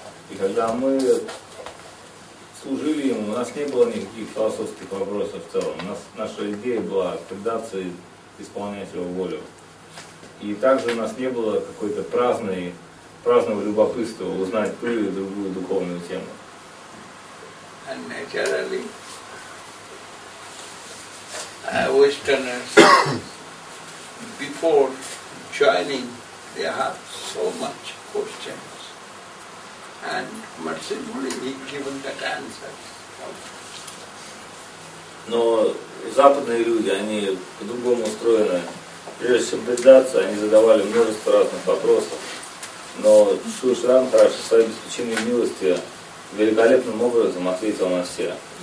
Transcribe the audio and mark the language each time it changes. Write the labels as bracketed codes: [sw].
[ru] И когда мы служили ему, у нас не было никаких философских вопросов в целом. Наша идея была предаться и исполнять его волю. И также у нас не было какой-то праздного любопытства узнать ту или другую духовную тему. [en] And naturally, Westerners, before joining, they have so much questions. And mercifully, he given that answer. [ru] Но западные люди, они по-другому устроены. Прежде чем предаться, они задавали множество разных вопросов. Но Шрила Сиддхартха Махарадж со своей беспричинной милости великолепным образом ответил на все.